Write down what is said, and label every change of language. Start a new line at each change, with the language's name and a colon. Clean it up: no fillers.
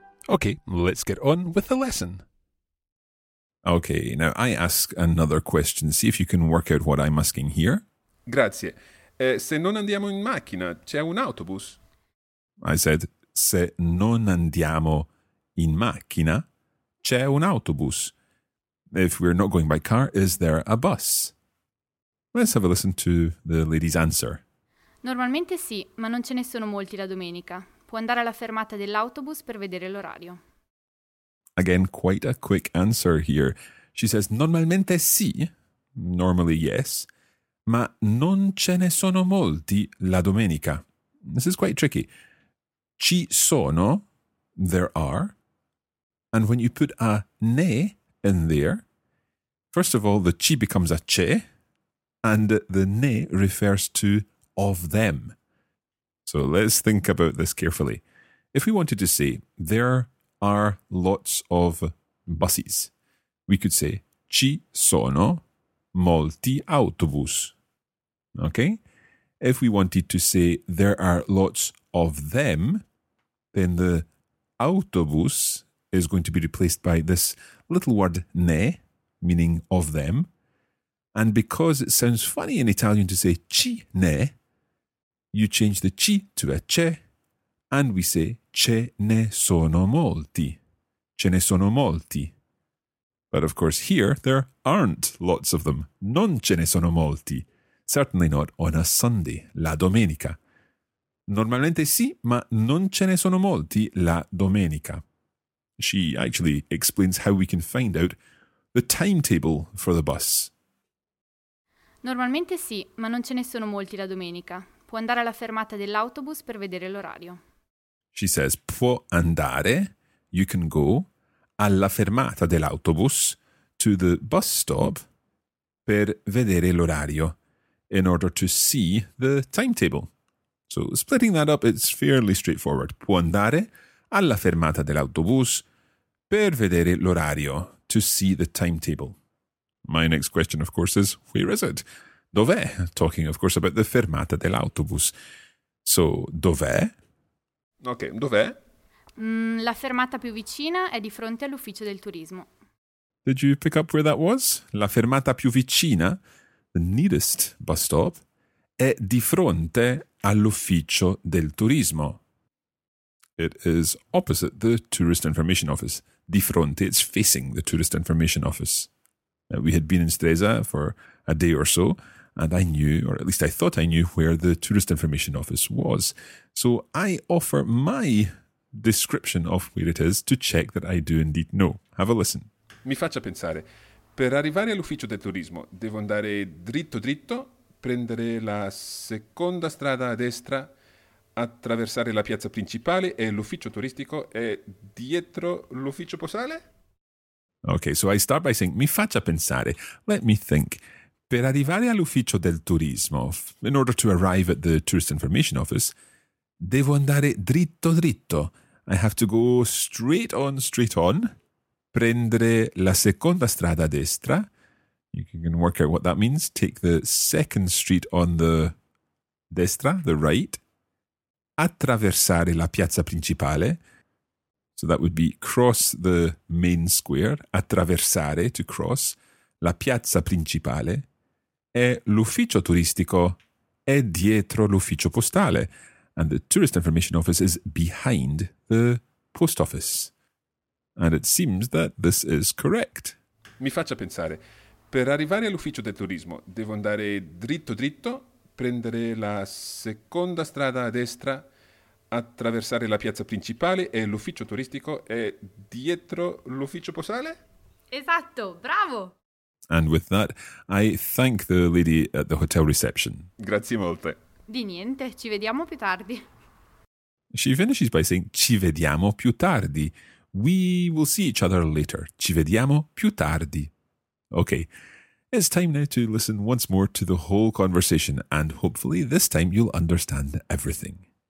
English: Okay, let's get on with the lesson. Okay, now I ask another question. See if you can work out what I'm asking here.
Italian: Grazie. Se non andiamo in macchina, c'è un autobus?
English: I said,
Italian: se non andiamo in macchina, c'è un autobus.
English: If we're not going by car, is there a bus? Let's have a listen to the lady's answer.
Italian: Normalmente sì, ma non ce ne sono molti la domenica. Può andare alla fermata dell'autobus per vedere l'orario.
English: Again, quite a quick answer here. She says,
Italian: normalmente sì,
English: normally yes,
Italian: ma non ce ne sono molti la domenica.
English: This is quite tricky.
Italian: Ci sono,
English: there are, and when you put a ne in there, first of all, the ci becomes a ce, and the ne refers to of them. So let's think about this carefully. If we wanted to say, there are lots of buses, we could say,
Italian: ci sono molti autobus.
English: Okay? If we wanted to say, there are lots of them, then the autobus is going to be replaced by this little word, ne, meaning of them. And because it sounds funny in Italian to say, ci ne, you change the ci to a ce, and we say
Italian: ce ne sono molti. Ce ne sono molti.
English: But of course here there aren't lots of them.
Italian: Non ce ne sono molti.
English: Certainly not on a Sunday,
Italian: la domenica. Normalmente sì, ma non ce ne sono molti la domenica.
English: She actually explains how we can find out the timetable for the bus.
Italian: Normalmente sì, ma non ce ne sono molti la domenica. Può andare alla fermata dell'autobus per vedere l'orario.
English: She says,
Italian: può andare,
English: you can go,
Italian: alla fermata dell'autobus,
English: to the bus stop,
Italian: per vedere l'orario.
English: in order to see the timetable. So splitting that up, it's fairly straightforward.
Italian: Può andare alla fermata dell'autobus per vedere l'orario,
English: to see the timetable. My next question, of course, is where is it?
Italian: Dov'è?
English: Talking, of course, about the fermata dell'autobus. So, dov'è?
Italian: Ok, dov'è? La fermata più vicina è di fronte all'ufficio del turismo.
English: Did you pick up where that was?
Italian: La fermata più vicina,
English: the nearest bus stop,
Italian: è di fronte all'ufficio del turismo.
English: It is opposite the tourist information office.
Italian: Di fronte,
English: it's facing the tourist information office. We had been in Stresa for a day or so, and I knew, or at least I thought I knew, where the tourist information office was. So I offer my description of where it is to check that I do indeed know. Have a listen.
Italian: Mi faccia pensare. Per arrivare all'ufficio del turismo, devo andare dritto dritto, prendere la seconda strada a destra, attraversare la piazza principale e l'ufficio turistico è dietro l'ufficio postale?
English: Okay, so I start by saying,
Italian: mi faccia pensare,
English: let me think.
Italian: Per arrivare all'ufficio del turismo,
English: in order to arrive at the tourist information office,
Italian: devo andare dritto dritto.
English: I have to go straight on, straight on.
Italian: Prendere la seconda strada a destra.
English: You can work out what that means. Take the second street on the destra, the right.
Italian: Attraversare la piazza principale.
English: So that would be cross the main square.
Italian: Attraversare,
English: to cross,
Italian: la piazza principale. E l'ufficio turistico è dietro l'ufficio postale.
English: And the tourist information office is behind the post office. And it seems that this is correct.
Italian: Mi faccia pensare. Per arrivare all'ufficio del turismo, devo andare dritto dritto, prendere la seconda strada a destra, attraversare la piazza principale e l'ufficio turistico è dietro l'ufficio postale? Esatto, bravo!
English: And with that, I thank the lady at the hotel reception.
Italian: Grazie molte. Di niente, ci vediamo più tardi.
English: She finishes by saying,
Italian: ci vediamo più tardi.
English: We will see each other later.
Italian: Ci vediamo più tardi.
English: Okay, it's time now to listen once more to the whole conversation and hopefully this time you'll understand everything.